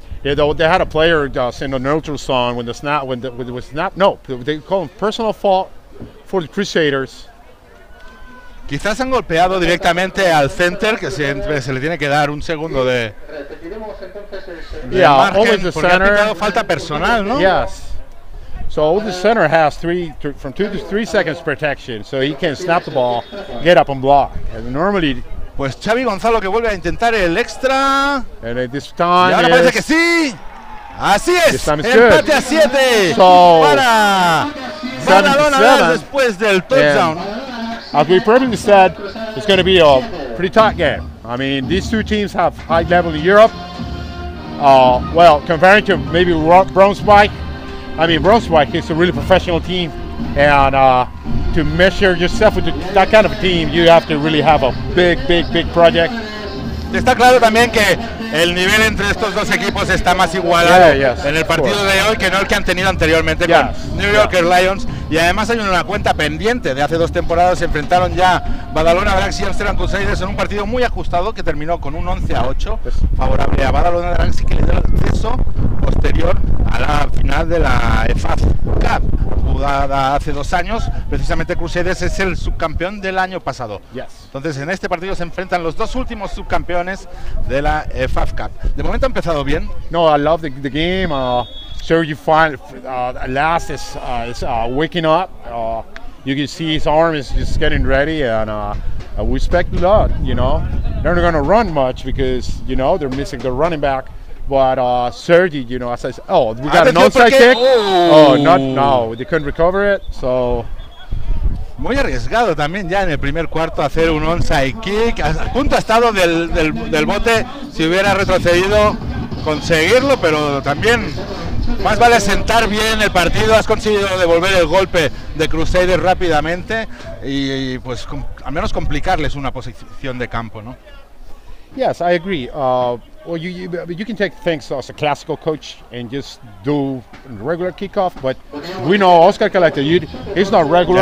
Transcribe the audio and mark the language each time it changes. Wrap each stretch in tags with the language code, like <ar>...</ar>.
<en>Yeah, they had a player send a neutral song when the snap, when it was snap. No, they call him personal fault for the Crusaders.</en> <es>Quizás han golpeado directamente al center, que siempre se le tiene que dar un segundo de.</es> <en>Yeah,</en> <es>margen,</es> <en>always the center.</en> <es>Porque ha falta personal, ¿no?</es> <en>Yes. So the center has from two to three seconds protection, so he can snap the ball, get up and block. And normally.</en> <es>Pues Xavi Gonzalo que vuelve a intentar el extra.</es> <en>And at this time.</en> <es>Y ahora parece que sí. Así es.</es> <en>This time is</en> <es>empate</es> <en>good.</en> <es>A 7.</es> <en>So.</en> <es>Para. Barcelona después del touchdown.</es> <en>As we previously said, it's going to be a pretty tight game. I mean, these two teams have high level in Europe. Well, comparing to maybe Braunschweig. I mean, Braunschweig is a really professional team. And to measure yourself with that kind of team, you have to really have a big, big, big project.</en> <es>Está claro también que el nivel entre estos dos equipos está más igualado en el partido de hoy que no el que han tenido anteriormente con New Yorker Lions. Y además hay una cuenta pendiente. De hace dos temporadas se enfrentaron ya Badalona Drags y Amsterdam Crusaders en un partido muy ajustado que terminó con un 11-8 favorable a Badalona Drags y que le dio acceso posterior a la final de la EFAF Cup jugada hace dos años. Precisamente Crusaders es el subcampeón del año pasado. Entonces en este partido se enfrentan los dos últimos subcampeones de la EFAF Cup. De momento ha empezado bien.</es> <en>No, I love the game. Sergi finally, at last, is waking up. You can see his arm is just getting ready, and we respect a lot, you know. They're not going to run much because, you know, they're missing their running back. But Sergi, you know, as I said, oh, we got an onside kick. Oh, not now. They couldn't recover it, so.</en> <es>Muy arriesgado también ya en el primer cuarto hacer un onside kick. A punto ha estado del bote si hubiera retrocedido conseguirlo, pero también más vale sentar bien el partido. Has conseguido devolver el golpe de Crusaders rápidamente y pues al menos complicarles una posición de campo, ¿no?</es> <en>Yes, I agree. You can take things as a classical coach and just do regular kickoff, but we know Oscar Calleja, he's not regular.</en>